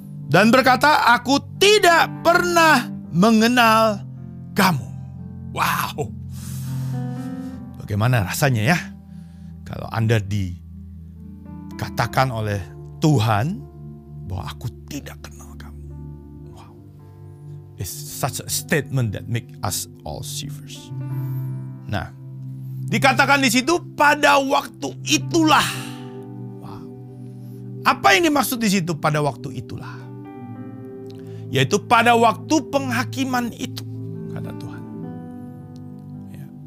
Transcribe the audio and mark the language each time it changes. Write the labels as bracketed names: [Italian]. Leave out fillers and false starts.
[Indonesian] Dan berkata, aku tidak pernah mengenal kamu. Wow. Bagaimana rasanya ya? Kalau Anda dikatakan oleh Tuhan bahwa aku tidak kenal kamu. Wow. [English] It's such a statement that make us all shivers. [Indonesian] Nah, dikatakan di situ pada waktu itulah. Wow. Apa yang dimaksud di situ pada waktu itulah? Yaitu pada waktu penghakiman itu, kata Tuhan. Ya.